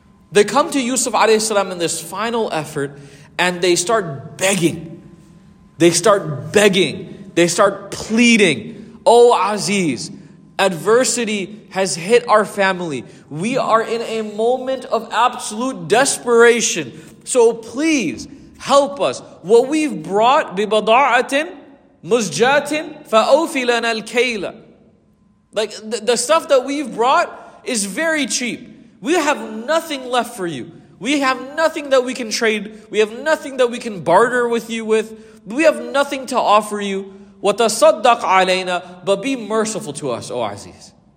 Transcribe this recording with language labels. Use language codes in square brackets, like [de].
[en] They come to Yusuf alayhi salam in this final effort and they start begging. They start begging. They start pleading. Oh Aziz, adversity has hit our family. We are in a moment of absolute desperation. So please help us. What we've brought, [ar] بِبَضَاعَةٍ مُزْجَاتٍ فَأَوْفِ لَنَا الْكَيْلَ. [en] Like the stuff that we've brought is very cheap. We have nothing left for you. We have nothing that we can trade. We have nothing that we can barter with you with. We have nothing to offer you. [ar] وَتَصَدَّقْ عَلَيْنَا. [en] But be merciful to us, O Aziz.